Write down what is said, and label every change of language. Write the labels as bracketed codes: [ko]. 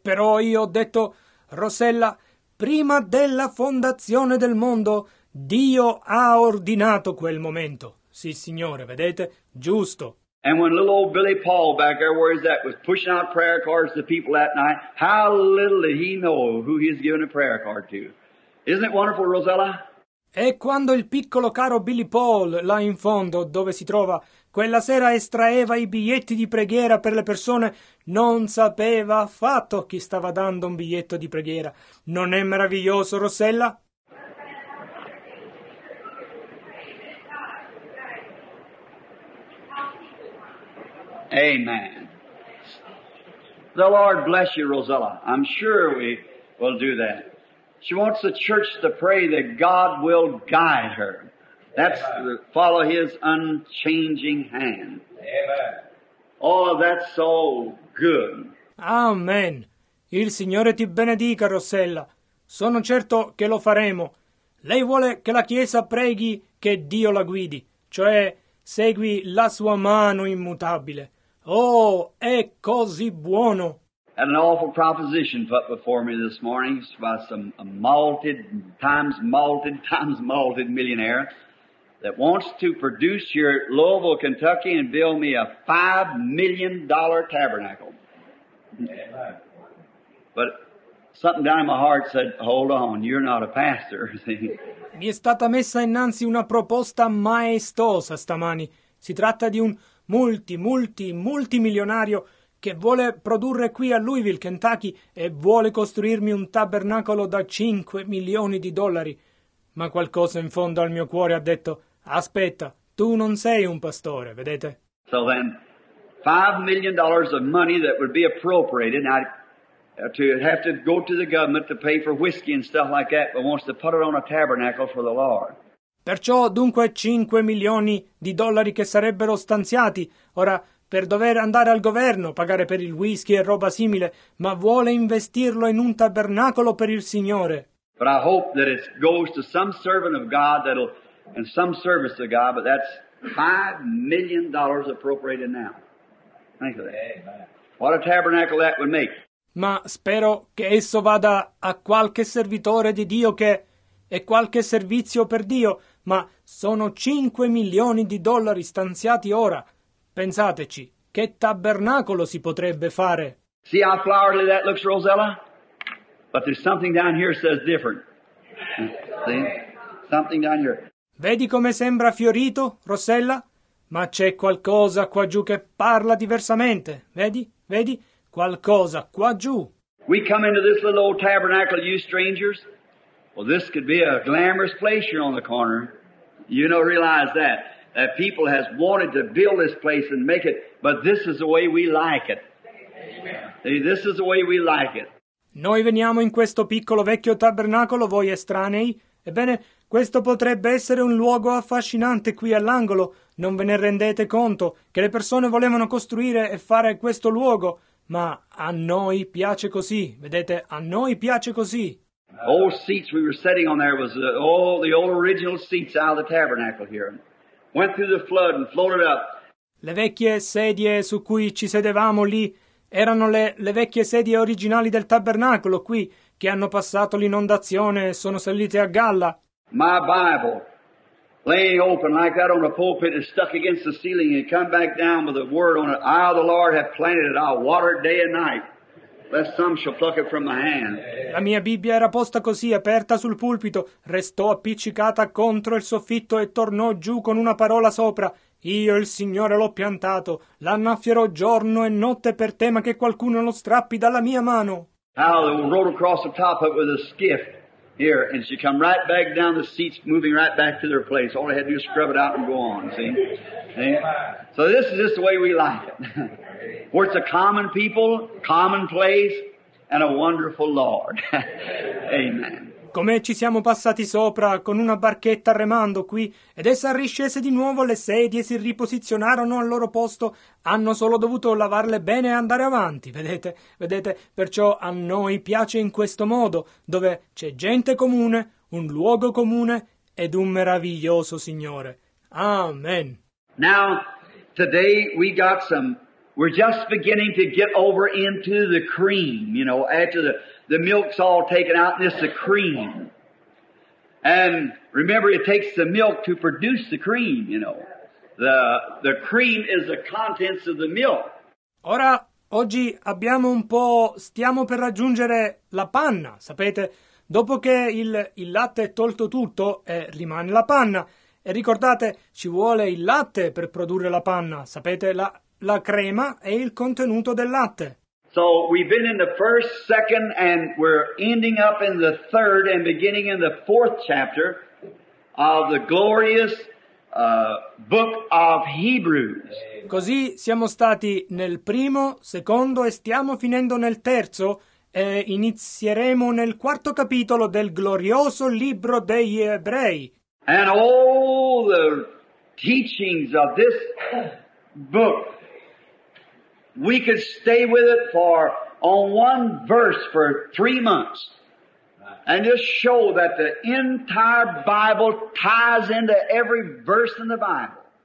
[it] Però io ho detto, Rosella, prima della fondazione del mondo, Dio ha ordinato quel momento. Sì, signore, vedete? Giusto. [en] And when little old Billy Paul back there, where is that, was pushing out prayer cards to people that night, how little did he know who he's giving a prayer card to? Isn't it wonderful, Rosella? [it] E quando il piccolo caro Billy Paul, là in fondo, dove si trova, quella sera estraeva i biglietti di preghiera per le persone, non sapeva affatto chi stava dando un biglietto di preghiera. Non è meraviglioso, Rosella? [en] Amen. The Lord bless you, Rosella. I'm sure we will do that. She wants the church to pray that God will guide her. That's the, follow His unchanging hand. Amen. Oh, that's so good. [it] Amen. Il Signore ti benedica, Rossella. Sono certo che lo faremo. Lei vuole che la Chiesa preghi che Dio la guidi, cioè segui la sua mano immutabile. Oh, è così buono. [en] Had an awful proposition put before me this morning by some a malted, times malted millionaire that wants to produce here at Louisville, Kentucky and build me a $5 million tabernacle. But something down in my heart said, hold on, you're not a pastor. [it] Mi è stata messa innanzi una proposta maestosa stamani. Si tratta di un multimilionario che vuole produrre qui a Louisville, Kentucky, e vuole costruirmi un tabernacolo da 5 milioni di dollari. Ma qualcosa in fondo al mio cuore ha detto, aspetta, tu non sei un pastore, vedete? [en] So then, $5 million of money that would be appropriated, and I'd have to go to the government to pay for whiskey and stuff like that, but wants to put it on a tabernacle for the Lord. [it] Perciò, dunque, 5 milioni di dollari che sarebbero stanziati, ora, per dover andare al governo, pagare per il whisky e roba simile, ma vuole investirlo in un tabernacolo per il Signore. [en] But I hope that it goes to some servant of God that'll and some service to God, but that's $5 million appropriated now. Think of that. What a tabernacle that would make. [it] Ma spero che esso vada a qualche servitore di Dio che è qualche servizio per Dio, ma sono 5 milioni di dollari stanziati ora. Pensateci, che tabernacolo si potrebbe fare? [en] See how flowery that looks, Rosella? But there's something down here that says different. See? Something down here. [it] Vedi come sembra fiorito, Rosella? Ma c'è qualcosa qua giù che parla diversamente. Vedi? Vedi? Qualcosa qua giù. [en] We come into this little old tabernacle, you strangers. Well, this could be a glamorous place here on the corner. You don't realize that. That people has wanted to build this place and make it, but this is the way we like it. Amen. This is the way we like it. [it] Noi veniamo in questo piccolo vecchio tabernacolo, voi estranei. Ebbene, questo potrebbe essere un luogo affascinante qui all'angolo. Non ve ne rendete conto che le persone volevano costruire e fare questo luogo, ma a noi piace così. Vedete, a noi piace così. [en] Old seats we were sitting on there was the old original seats out of the tabernacle here. Went through the flood and floated up. [it] Le vecchie sedie su cui ci sedevamo lì erano le vecchie sedie originali del tabernacolo qui che hanno passato l'inondazione e sono salite a galla. [en] My Bible, laying open like that on a pulpit and stuck against the ceiling and come back down with a word on it. I, the Lord, have planted it. I'll water it day and night. lest some shall pluck it from my hand. [it] La mia Bibbia era posta così, aperta sul pulpito, restò appiccicata contro il soffitto e tornò giù con una parola sopra. Io il Signore l'ho piantato, l'annaffierò giorno e notte per tema che qualcuno lo strappi dalla mia mano. [en] Hallelujah, we rode across the top of it with a skiff here, and she come right back down the seats, moving right back to their place. All I had to do was scrub it out and go on, see? So this is just the way we like it. Where it's a common people, common place, and a wonderful Lord. Amen. [it] Come ci siamo passati sopra con una barchetta remando qui, ed essa riscese di nuovo, le sedie si riposizionarono al loro posto, hanno solo dovuto lavarle bene e andare avanti, vedete, vedete, perciò a noi piace in questo modo, dove c'è gente comune, un luogo comune ed un meraviglioso Signore. Amen. [en] Now, today we got some, we're just beginning to get over into the cream, you know, after the milk's all taken out, and it's the cream. And remember, it takes the milk to produce the cream, you know. The cream is the contents of the milk. [it] Ora, oggi abbiamo un po', stiamo per raggiungere la panna, sapete? Dopo che il latte è tolto tutto, rimane la panna. E ricordate, ci vuole il latte per produrre la panna, sapete? La crema è il contenuto del latte. [en] So we've been in the first, second, and we're ending up in the third and beginning in the fourth chapter of the glorious book of Hebrews. [it] Così siamo stati nel primo, secondo e stiamo finendo nel terzo e inizieremo nel quarto capitolo del glorioso libro degli Ebrei. [en] And all the teachings of this book, we could stay with it for on one verse for 3 months and just show that the entire Bible ties into every verse in the Bible.